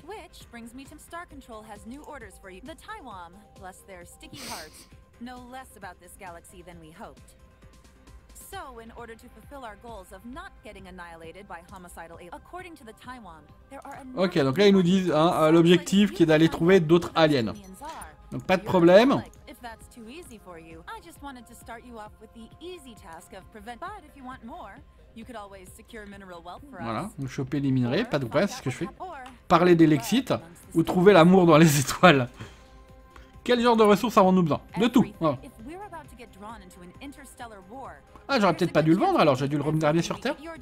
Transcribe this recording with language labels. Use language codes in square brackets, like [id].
[en] Which brings me to Star Control has new orders for you. The Taiwan, bless their sticky hearts, know less about this galaxy than we hoped. So, in order to fulfill our goals of not getting annihilated by homicidal aliens, according to the Taiwan, there are. [fr] Ok, donc là ils nous disent hein, l'objectif qui est d'aller trouver d'autres aliens. Donc pas de problème. [en] If that's too easy for you, I just wanted to start you off with the easy task of prevent. But if you want more. You could always secure mineral wealth for us. [fr] Voilà, nous choper les minerais, pas de problème, c'est ce que je fais. Parler des Lexites ou trouver l'amour dans les étoiles. Quel genre de ressources avons-nous besoin? De tout. Voilà. Ah, j'aurais peut-être pas dû le vendre alors, j'ai dû le ramener sur Terre.